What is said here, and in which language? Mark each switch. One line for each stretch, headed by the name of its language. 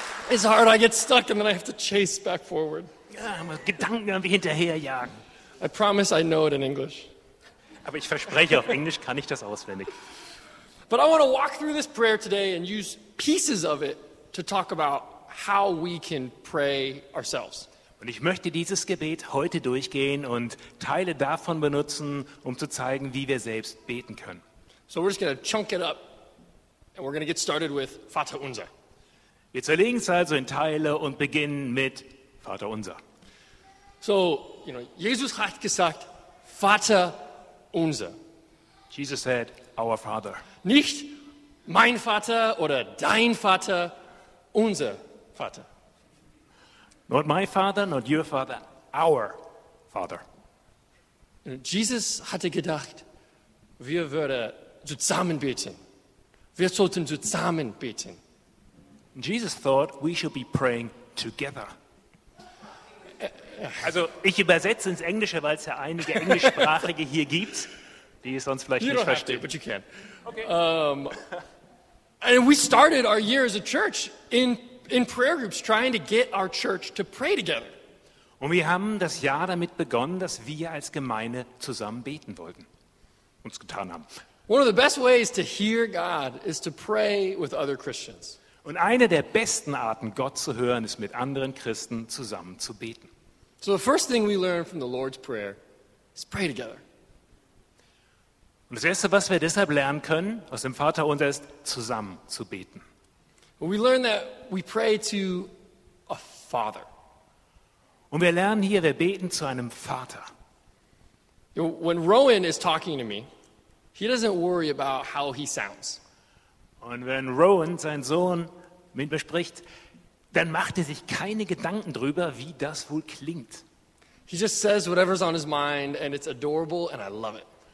English: It's hard, I get stuck and then I have to chase back forward.
German: Ja, man Gedanken irgendwie hinterherjagen.
English: I promise I know it in English.
German: Aber ich verspreche, auf Englisch kann ich das auswendig.
English: But I want to walk through this prayer today and use pieces of it to talk about how we can pray ourselves.
German: Und ich möchte dieses Gebet heute durchgehen und Teile davon benutzen, um zu zeigen, wie wir selbst beten können.
English: So we're just going to chunk it up and we're going to get started with Vater Unser.
German: Wir zerlegen es also in Teile und beginnen mit Vater Unser.
English: So, you know,
German: Jesus hat gesagt, Vater Unser.
English: Jesus said, our Father.
German: Nicht mein Vater oder dein Vater, unser Vater.
English: Not my father, not your father, our father.
German: Jesus hatte gedacht, wir würden zusammen beten. Wir sollten zusammen beten.
English: Jesus thought we should be praying together.
German: Also ich übersetze ins Englische, weil es ja einige Englischsprachige hier gibt, die es sonst vielleicht
English: you
German: nicht
English: don't
German: verstehen.
English: Have to, but you can. Okay. And we started our year as a church in prayer groups, trying to get our church to pray together.
German: Und wir haben das Jahr damit begonnen, dass wir als Gemeinde zusammen beten wollten, uns getan haben.
English: One of the best ways to hear God is to pray with other Christians.
German: Und eine der besten Arten, Gott zu hören, ist mit anderen Christen zusammen zu beten.
English: So the first thing we learn from the Lord's Prayer is pray together.
German: Und das Erste, was wir deshalb lernen können aus dem Vaterunser, ist, zusammen zu beten.
English: We learn that we pray to a father.
German: Und wir lernen hier, wir beten zu einem Vater.
English: You know, when Rowan is talking to me, he doesn't worry about how he sounds.
German: Und wenn Rowan, sein Sohn, mit mir spricht, dann macht er sich keine Gedanken drüber, wie das wohl klingt.
English: He just says whatever's on his mind and it's adorable and I love it.